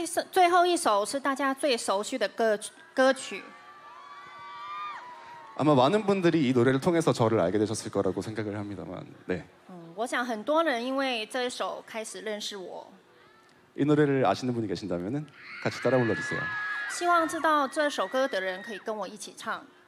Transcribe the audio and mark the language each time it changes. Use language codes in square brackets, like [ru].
[zh] 最后一首是大家最熟悉的歌曲 [ko] 아마 많은 분들이 이 노래를 통해서 저를 알게 되셨을 거라고 생각을 합니다만 네 [zh] 我想很多人因为这首开始认识我 [ko] 이 노래를 아시는 분이 계신다면은 같이 따라 불러주세요. [zh] 希望知道这首歌的人可以跟我一起唱.